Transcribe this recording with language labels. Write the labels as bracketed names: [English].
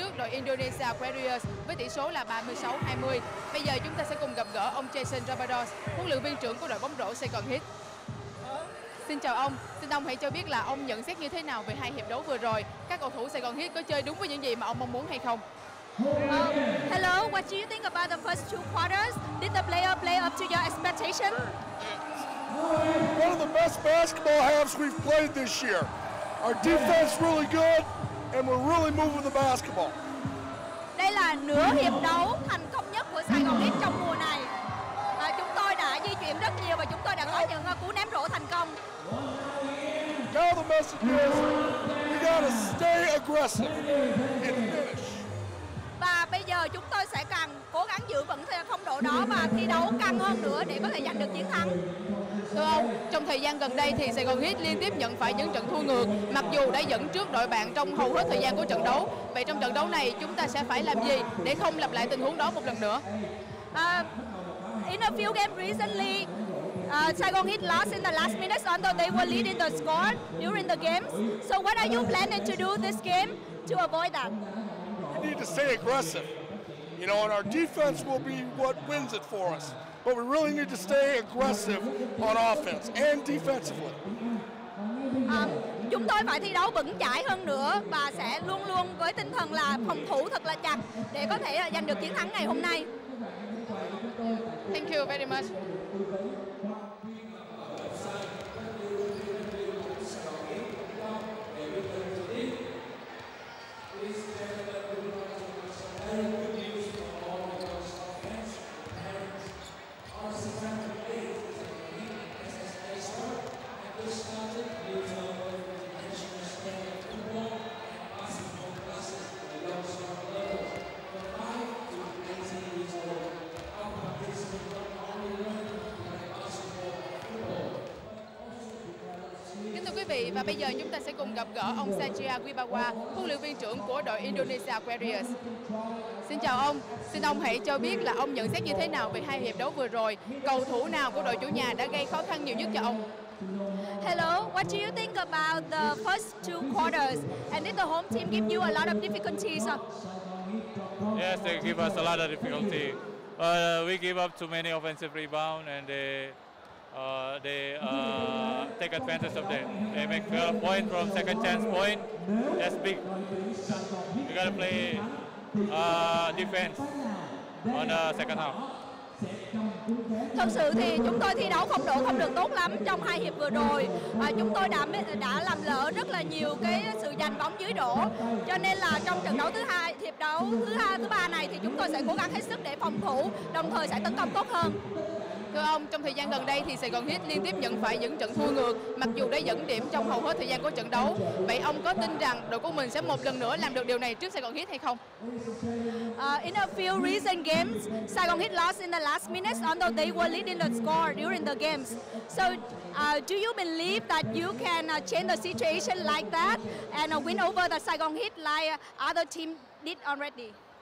[Vietnamese] Indonesia Warriors với tỷ số là 36-20. Bây giờ chúng ta sẽ cùng gặp gỡ ông Jason Rabados, huấn luyện viên trưởng của đội bóng rổ Saigon Heat. Xin chào ông, xin ông hãy cho biết là ông nhận xét như thế nào về hai hiệp đấu vừa rồi. Các cầu thủ Saigon Heat có chơi đúng với những gì mà ông mong muốn hay không? [English] Hello, what do you think about the first two quarters? Did the player play up to your expectation? One of the best basketball halves we've played this year. Our defense really good and we're really moving the basketball. [Vietnamese] Đây là nửa hiệp đấu thành công nhất của Saigon Heat trong mùa này. Chúng tôi đã di chuyển rất nhiều và chúng tôi đã có những cú ném rổ thành công. [English] Now the message is, we gotta stay aggressive and finish. [Vietnamese] Và bây giờ chúng tôi sẽ cần cố gắng giữ vững phong độ đó và thi đấu căng hơn nữa để có thể giành được chiến thắng. Thưa ông, trong thời gian gần đây thì Saigon Heat liên tiếp nhận phải những trận thua ngược, mặc dù đã dẫn trước đội bạn trong hầu hết thời gian của trận đấu. Vậy trong trận đấu này chúng ta sẽ phải làm gì để không lặp lại tình huống đó một lần nữa? [English] In a few games recently, Saigon Heat lost in the last minutes although they were leading the score during the games. So what are you planning to do this game to avoid that? We need to stay aggressive. You know, and our defense will be what wins it for us. But we really need to stay aggressive on offense and defensively. [Vietnamese] Chúng tôi phải thi đấu vững chãi hơn nữa và sẽ luôn luôn với tinh thần là phòng thủ thật là chặt để có thể giành được chiến thắng ngày hôm nay. [English] Thank you very much. [Vietnamese] Và bây giờ chúng ta sẽ cùng gặp gỡ ông Sanjaya Wibawa, huấn luyện viên trưởng của đội Indonesia Warriors. Xin chào ông, xin ông hãy cho biết là ông nhận xét như thế nào về hai hiệp đấu vừa rồi. Cầu thủ nào của đội chủ nhà đã gây khó khăn nhiều nhất cho ông? [English] Hello, what do you think about the first two quarters? And did the home team give you a lot of difficulties? Yes, they give us a lot of difficulty. We give up too many offensive rebounds and they take advantage of them. They make a point from second chance point. That's big. We gotta play defense on the second half. [Vietnamese] Thực sự thì chúng tôi thi đấu phong độ không được tốt lắm trong hai hiệp vừa rồi. Chúng tôi đã làm lỡ rất là nhiều cái sự giành bóng dưới rổ. Cho nên là trong trận đấu thứ hai, hiệp đấu thứ ba này thì chúng tôi sẽ cố gắng hết sức để phòng thủ, đồng thời sẽ tấn công tốt hơn. Thưa ông, trong thời gian gần đây thì Saigon Heat liên tiếp nhận phải những trận thua ngược, mặc dù đã dẫn điểm trong hầu hết thời gian của trận đấu. Vậy ông có tin rằng đội của mình sẽ một lần nữa làm được điều này trước Saigon Heat hay không? [English] In a few recent games, Saigon Heat lost in the last minutes although they were leading the score during the games. So, do you believe that you can change the situation like that and win over the Saigon Heat like other team did already?